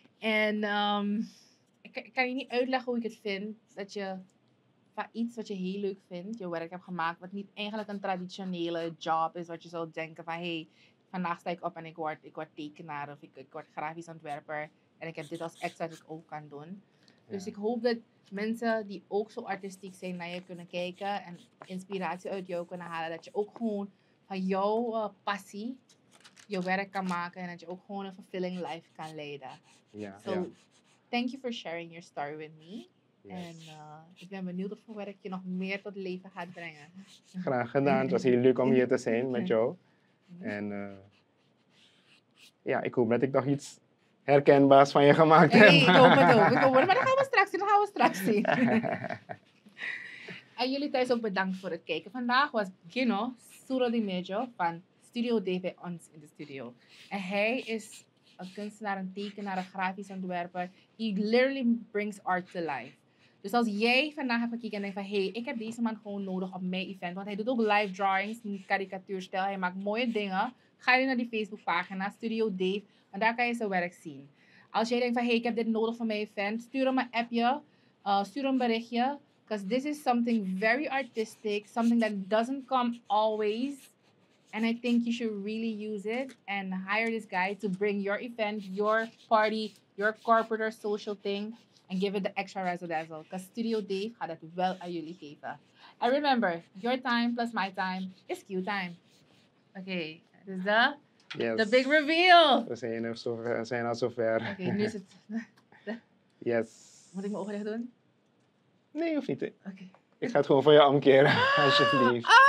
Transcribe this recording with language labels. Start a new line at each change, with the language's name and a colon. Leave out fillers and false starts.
Dutch: En ik kan je niet uitleggen hoe ik het vind dat je van iets wat je heel leuk vindt, je werk hebt gemaakt, wat niet eigenlijk een traditionele job is, wat je zou denken van, hey, vandaag sta ik op en ik word tekenaar of ik word grafisch ontwerper en ik heb dit als extra dat ik ook kan doen. Ja. Dus ik hoop dat mensen die ook zo artistiek zijn naar je kunnen kijken en inspiratie uit jou kunnen halen, dat je ook gewoon van jouw passie je werk kan maken en dat je ook gewoon een
English: fulfilling life
Dutch: kan leiden. Ja.
English: So, thank you for sharing your story with me.
Dutch: En ik ben benieuwd of voor werk je nog meer tot leven gaat brengen. Graag gedaan. Het was heel leuk om hier te zijn met jou. En ik hoop dat ik nog iets herkenbaars van je gemaakt heb. Nee, ik hoop het ook. Maar dat gaan we straks zien. En jullie thuis ook bedankt voor het kijken. Vandaag was Gino Surodimejo van Studio D bij ons in de studio. En hij is een kunstenaar, een tekenaar, een grafisch ontwerper.
English: He literally brings art to life.
Dutch: Dus als jij vandaag hebt gekeken en denkt van, hey, ik heb deze man gewoon nodig op mijn event. Want hij doet ook live drawings, karikatuurstijl. Hij maakt mooie dingen. Ga je naar die Facebookpagina, Studio Dave. En daar kan je zijn werk zien. Als jij denkt van, hey, ik heb dit nodig voor mijn event. Stuur hem een appje. Stuur een berichtje.
English: Because this is something very artistic. Something that doesn't come always. And I think you should really use it. And hire this guy to bring your event, your party, your corporate or social thing. And give it the extra razzle-dazzle. Because Studio Dave had it well at
Dutch: jullie geven.
English: And remember, your time plus my time is Q time. Okay, this is the big reveal.
Dutch: We zijn al zover. Okay, nu is het.
English: Yes.
Dutch: Moet ik mijn ogen dicht doen? Nee, hoeft niet. Okay. Ik ga het gewoon voor je omkeren, alsjeblieft.